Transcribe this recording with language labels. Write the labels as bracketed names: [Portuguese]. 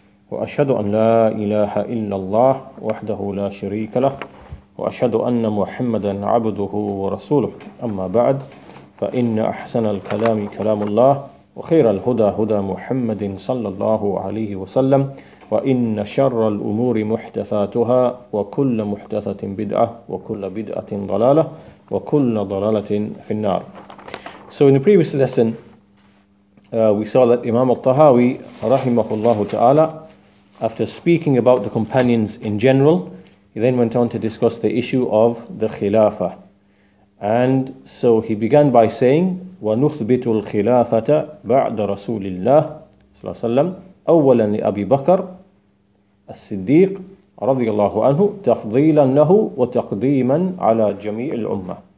[Arabic] وأشهد أن لا إله إلا الله وحده لا شريك له وأشهد أن محمدا عبده ورسوله أما بعد فإن أحسن الكلام كلام الله وخير الهدى هدى محمد صلى الله عليه وسلم وإن شر الأمور محدثاتها وكل محدثة بدعة وكل بدعة ضلالة وكل ضلالة في النار. [English] So in the previous lesson, we saw that Imam al-Tahawi, رحمه الله تعالى, after speaking about the companions in general, he then went on to discuss the issue of the Khilafah. And so he began by saying, [Arabic] وَنُثْبِتُ الْخِلَافَةَ بَعْدَ رَسُولِ اللَّهِ صلى الله عليه وسلم أولاً لأبي بكر الصديق رضي الله عنه تفضيلاً له وتقديماً على جميع الأمة.